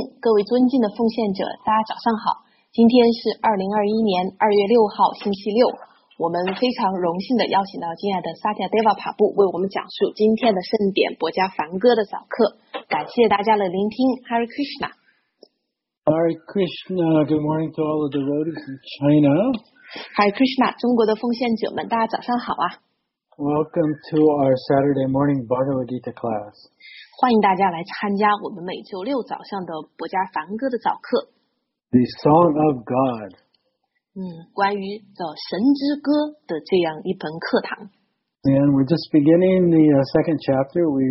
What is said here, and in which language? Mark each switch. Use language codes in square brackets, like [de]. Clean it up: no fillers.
[zh] 各位尊敬的奉献者，大家早上好。今天是2021年2月6号，星期六。我们非常荣幸的邀请到敬爱的萨提亚·德瓦帕布为我们讲述今天的盛典——博加梵歌的早课。感谢大家的聆听 ，Hare Krishna。 [en] Hare Krishna, good morning to all the devotees in China. [zh] Hare Krishna, 中国的奉献者们，大家早上好啊。 [en] Welcome to our Saturday morning Bhagavad Gita class. [zh] 欢迎大家来参加我们每周六早上的博加梵歌的早课。 [en] The Song of God. [zh] 关于的神之歌的这样一本课堂。 [en] And we're just beginning the second chapter.